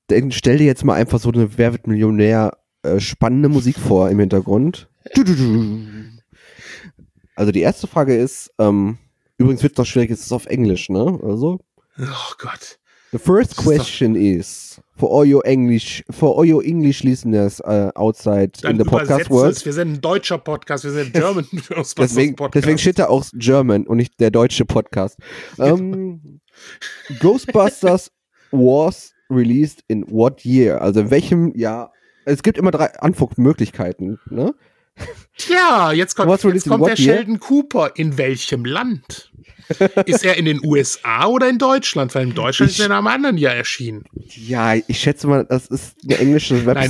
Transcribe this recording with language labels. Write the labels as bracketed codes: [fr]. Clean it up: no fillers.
[de] Stell dir jetzt mal einfach so eine Wer wird Millionär spannende Musik vor im Hintergrund. Also die erste Frage ist, übrigens wird es noch schwierig, es ist auf Englisch, ne? Also, oh Gott. [en] The first question is, for all your English listeners outside dann in the podcast world. [de] Wir sind ein deutscher Podcast, wir sind ein German Ghostbusters-Podcast. Deswegen steht da auch German und nicht der deutsche Podcast. [en] Ghostbusters was released in what year? [de] Also in welchem Jahr? Es gibt immer drei Antwortmöglichkeiten, ne? Tja, jetzt kommt der Sheldon Cooper. In welchem Land? Ist er in den USA oder in Deutschland? Weil in Deutschland ist er in einem anderen Jahr erschienen. Ja, ich schätze mal, das ist eine englische Webseite.